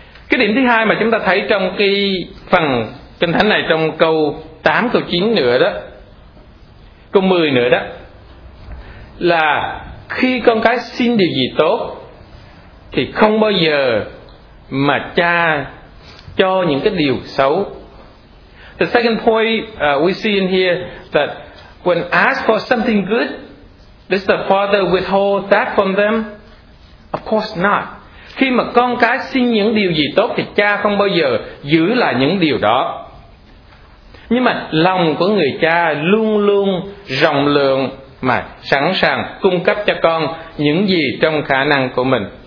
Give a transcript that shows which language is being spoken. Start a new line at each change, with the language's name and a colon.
Vietnamese: Cái điểm thứ hai mà chúng ta thấy trong cái phần kinh thánh này, trong câu 8, câu 9 nữa đó, câu 10 nữa đó, là khi con cái xin điều gì tốt thì không bao giờ mà cha cho những cái điều xấu.
English: The second point we see in here that when asked for something good, does the father withhold that from them? Of course not.
Vietnamese: Khi mà con cái xin những điều gì tốt thì cha không bao giờ giữ lại những điều đó. Nhưng mà lòng của người cha luôn luôn rộng lượng mà sẵn sàng cung cấp cho con những gì trong khả năng của mình.